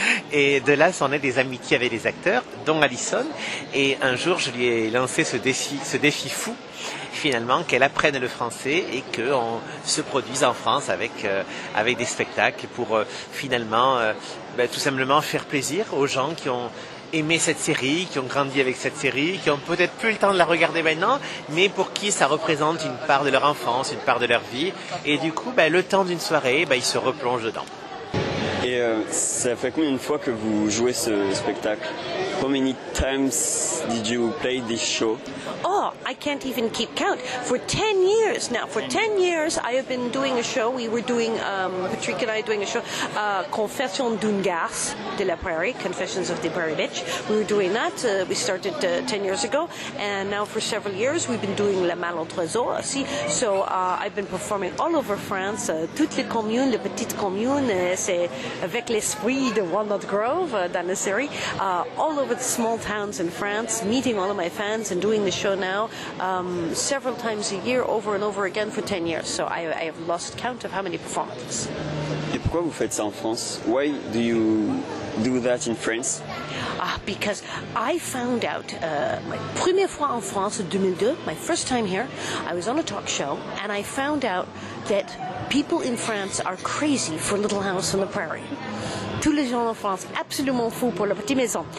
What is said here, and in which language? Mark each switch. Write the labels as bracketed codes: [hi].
[fr] et de là, c'en est des amitiés avec des acteurs, dont Alison, et un jour, je lui ai lancé ce défi fou, finalement, qu'elle apprenne le français et qu'on se produise en France avec des spectacles pour finalement, tout simplement, faire plaisir aux gens qui ont aimé cette série, qui ont grandi avec cette série, qui ont peut-être plus le temps de la regarder maintenant, mais pour qui ça représente une part de leur enfance, une part de leur vie. Et du coup, le temps d'une soirée, ils se replongent dedans. Et ça fait combien de fois que vous jouez ce spectacle? [en] How many times did you play this show? Oh, I can't even keep count. For 10 years now, for 10 years, I have been doing a show. We were doing, Patrick and I doing a show, Confession d'une garce de la prairie, Confessions of the Prairie Bitch. We were doing that. We started 10 years ago. And now for several years, we've been doing La Malle au Trésor aussi. So I've been performing all over France, [fr] toutes les communes, les petites communes, c'est avec l'esprit de Walnut Grove dans la série, [en] all over the small towns in France, meeting all of my fans and doing the show now several times a year, over and over again for 10 years. So I have lost count of how many performances. [fr] Et pourquoi vous faites ça en France? [en] Why do you do that in France? Because I found out my [fr] première fois en France en 2002, [en] my first time here, I was on a talk show and I found out that people in France are crazy for Little House on the Prairie. [fr] Tous les gens en France, absolument fous pour la petite maison.